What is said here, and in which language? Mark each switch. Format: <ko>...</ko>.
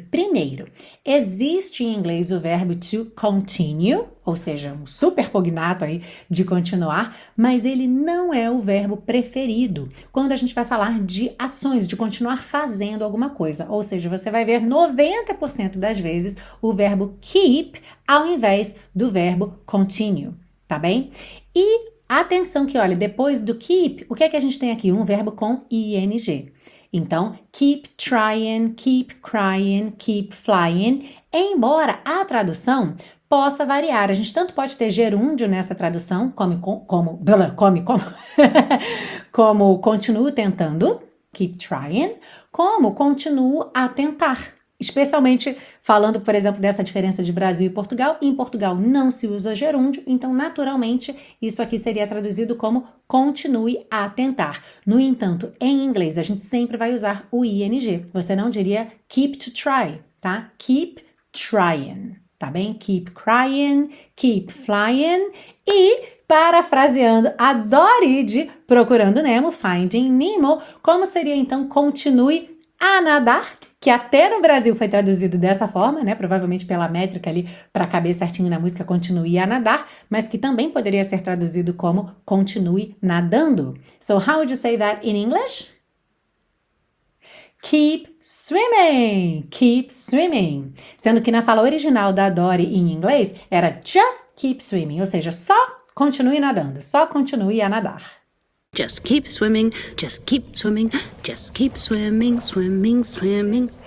<pt>Primeiro, existe em inglês o verbo to continue, ou seja, um super cognato aí de continuar, mas ele não é o verbo preferido quando a gente vai falar de ações, de continuar fazendo alguma coisa. Ou seja, você vai ver 90% das vezes o verbo keep ao invés do verbo continue, tá bem? E atenção que, olha, depois do keep, o que é que a gente tem aqui? Um verbo com ing. Então,</pt> <en>keep trying, keep crying, keep flying.</en> <pt>Embora a tradução possa variar. A gente tanto pode ter gerúndio nessa tradução, como continuo tentando,</pt> <en>keep trying,</en> <pt>como continuo a tentar. Especialmente falando, por exemplo, dessa diferença de Brasil e Portugal. Em Portugal não se usa gerúndio, então naturalmente isso aqui seria traduzido como continue a tentar. No entanto, em inglês a gente sempre vai usar o ing. Você não diria</pt> <en>keep to try,</en> <pt>tá?</pt> <en>Keep trying,</en> <pt>tá bem?</pt> <en>Keep crying, keep flying.</en> <pt>E parafraseando a Dory de Procurando Nemo, Finding Nemo, como seria então continue a nadar? Que até no Brasil foi traduzido dessa forma, né? Provavelmente pela métrica ali para caber certinho na música, continue a nadar, mas que também poderia ser traduzido como continue nadando.</pt> <en>So, how would you say that in English? Keep swimming, keep swimming.</en> <pt>Sendo que na fala original da Dory em inglês era</pt> <en>just keep swimming,</en> <pt>ou seja, só continue nadando, só continue a nadar.</pt> <en>Just keep swimming, just keep swimming, just keep swimming, swimming, swimming.</en>